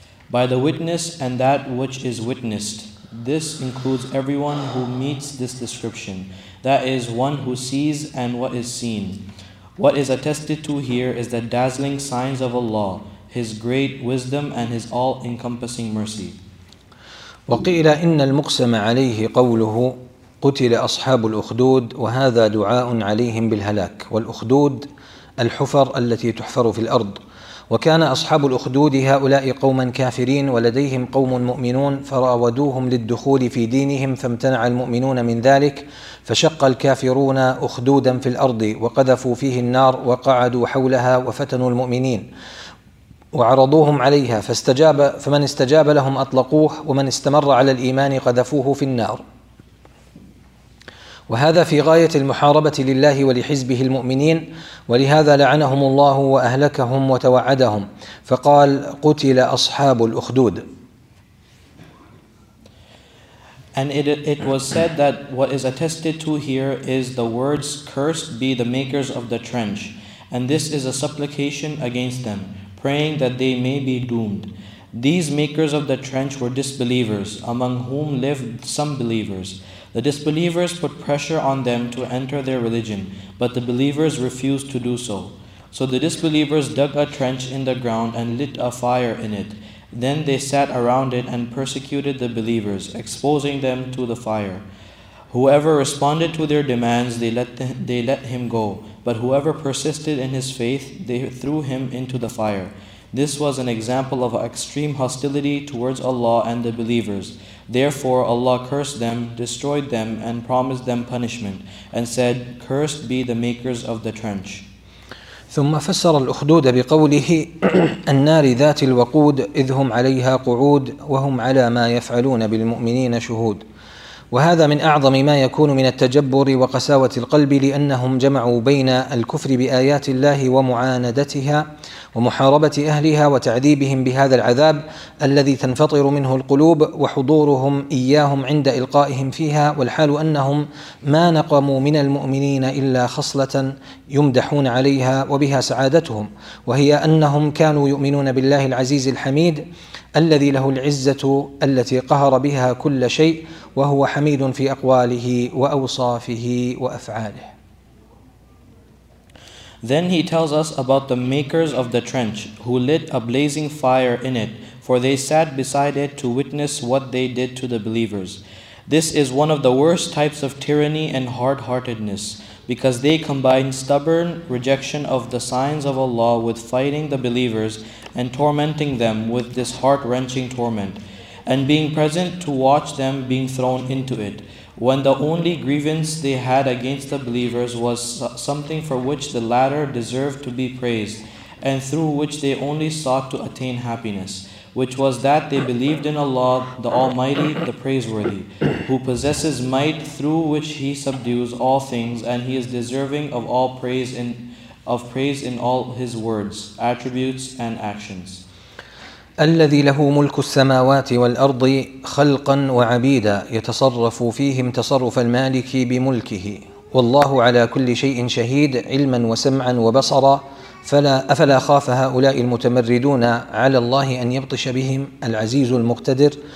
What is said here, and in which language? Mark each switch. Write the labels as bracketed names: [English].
[English] By the witness and that which is witnessed, this includes everyone who meets this description, that is one who sees and what is seen. What is attested to here is the dazzling signs of Allah, His great wisdom and His all-encompassing mercy. [Arabic] وقيل إن المقسم عليه قوله قتل أصحاب الأخدود وهذا دعاء عليهم بالهلاك والأخدود الحفر التي تحفر في الأرض وكان أصحاب الأخدود هؤلاء قوما كافرين ولديهم قوم مؤمنون فراودوهم للدخول في دينهم فامتنع المؤمنون من ذلك فشق الكافرون أخدودا في الأرض وقذفوا فيه النار وقعدوا حولها وفتنوا المؤمنين وعرضوهم عليها فمن استجاب لهم أطلقوه ومن استمر على الإيمان قذفوه في النار وهذا في غاية المحاربة لله ولحزبه المؤمنين ولهذا لعنهم الله وأهلكهم وتوعدهم فقال قتل أصحاب الأخدود. [English] And it was said that what is attested to here is the words cursed be the makers of the trench and this is a supplication against them praying that they may be doomed. These makers of the trench were disbelievers among whom lived some believers. The disbelievers put pressure on them to enter their religion, but the believers refused to do so. So the disbelievers dug a trench in the ground and lit a fire in it. Then they sat around it and persecuted the believers, exposing them to the fire. Whoever responded to their demands, they let him go. But whoever persisted in his faith, they threw him into the fire. This was an example of extreme hostility towards Allah and the believers. Therefore, Allah cursed them, destroyed them, and promised them punishment, and said, "Cursed be the makers of the trench." [Arabic] ثم فسر الأخدود بقوله النار ذات الوقود إذ هم عليها قعود وهم على ما يفعلون بالمؤمنين شهود وهذا من أعظم ما يكون من التجبر وقساوة القلب لأنهم جمعوا بين الكفر بآيات الله ومعاندتها ومحاربة أهلها وتعذيبهم بهذا العذاب الذي تنفطر منه القلوب وحضورهم إياهم عند إلقائهم فيها والحال أنهم ما نقموا من المؤمنين إلا خصلة يمدحون عليها وبها سعادتهم وهي أنهم كانوا يؤمنون بالله العزيز الحميد الذي له العزة التي قهر بها كل شيء وهو حميد في أقواله وأوصافه وأفعاله. [English] Then he tells us about the makers of the trench, who lit a blazing fire in it, for they sat beside it to witness what they did to the believers. This is one of the worst types of tyranny and hard-heartedness, because they combine stubborn rejection of the signs of Allah with fighting the believers and tormenting them with this heart-wrenching torment, and being present to watch them being thrown into it. When the only grievance they had against the believers was something for which the latter deserved to be praised, and through which they only sought to attain happiness, which was that they believed in Allah, the Almighty, the Praiseworthy, who possesses might through which He subdues all things, and He is deserving of all praise in all His words, attributes, and actions. [Arabic] الذي له ملك السماوات والأرض خلقا وعبيدا يتصرف فيهم تصرف المالك بملكه والله على كل شيء شهيد علما وسمعا وبصرا أفلا خاف هؤلاء المتمردون على الله أن يبطش بهم العزيز المقتدر